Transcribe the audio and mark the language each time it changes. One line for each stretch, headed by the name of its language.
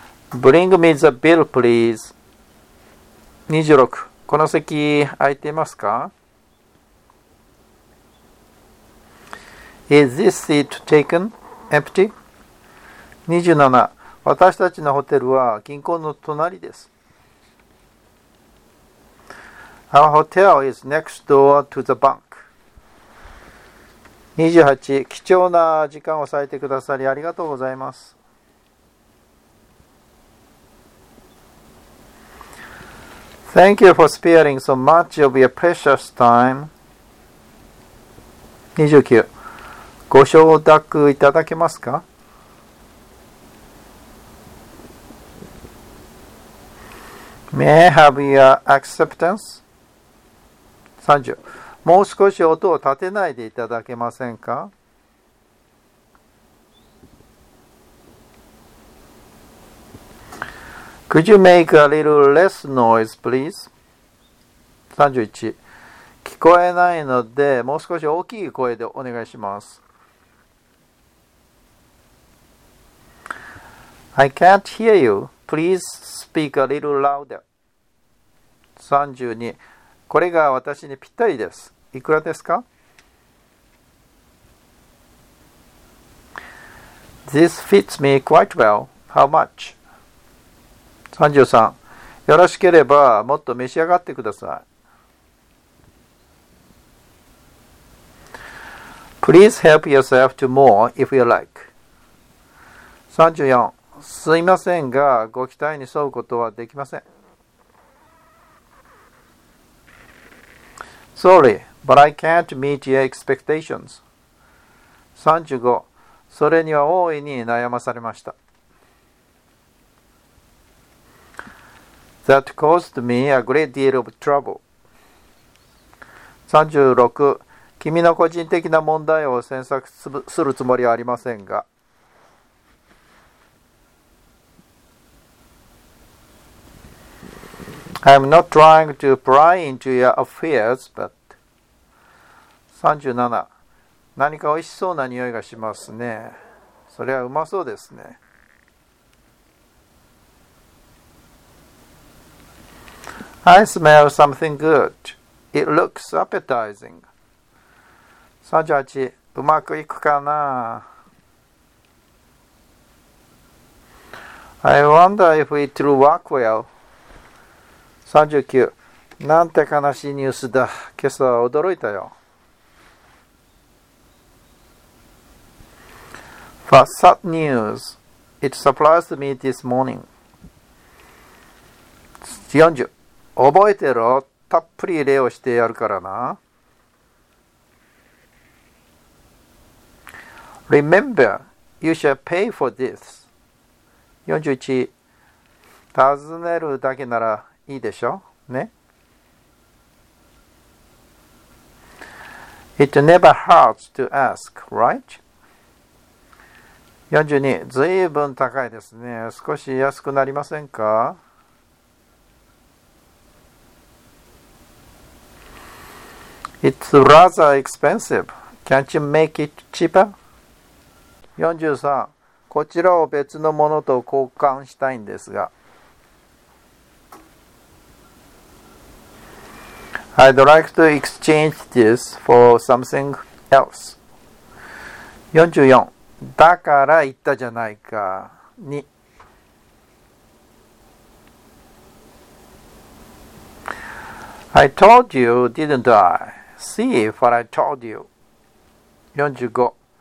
English: Bring me the bill, please. 26.
Japanese: この席空いていますか?
English: Is this seat taken? Empty? 27.
Japanese: 私たちのホテルは銀行の隣です。
English: Our hotel is next door to the bank. 28.
Japanese: 貴重な時間を割いてくださりありがとうございます。
English: Thank you for sparing so much of your precious time. 29.
Japanese: ご承諾いただけますか?
English: May I have your acceptance? 30.
Japanese: もう少し音を立てないでいただけませんか?
English: Could you make a little less noise, please? 31.
Japanese: 聞こえないので、もう少し大きい声でお願いします。
English: I can't hear you. Please speak a little louder. 32.
Japanese: これが私にぴったりです。いくらですか?
English: This fits me quite well. How much? 33.
Japanese: よろしければもっと召し上がってください。
English: Please help yourself to more if you like. 34.
Japanese: すいませんが、ご期待に沿うことはできません。
English: Sorry, but I can't meet your expectations. 35.
Japanese: それには大いに悩まされました。
English: That caused me a great deal of trouble. 36.
Japanese: 君の個人的な問題を詮索するつもりはありませんが。
English: I'm not trying to pry into your affairs, but 37.
Japanese: 何か美味しそうな匂いがしますね。それはうまそうですね。
English: I smell something good. It looks appetizing. 38.
Japanese: うまくいくかな?
English: I wonder if it'll work well. 39.
Japanese: なんて悲しいニュースだ。今朝は驚いたよ。
English: But sad news, it surprised me this morning.
Japanese: 40. 覚えてろ。たっぷり礼をしてやるからな。
English: Remember, you shall pay for this. 41.
Japanese: 尋ねるだけならいいでしょ。ね。
English: It never hurts to ask, right?
Japanese: 42. ずいぶん高いですね。少し安くなりませんか?
English: It's rather expensive. Can't you make it cheaper? 43.
Japanese: こちらを別のものと交換したいんですが。
English: I'd like to exchange this for something else. 44.
Japanese: だから言ったじゃないか。に。
English: I told you, didn't I? See what I told you. 45.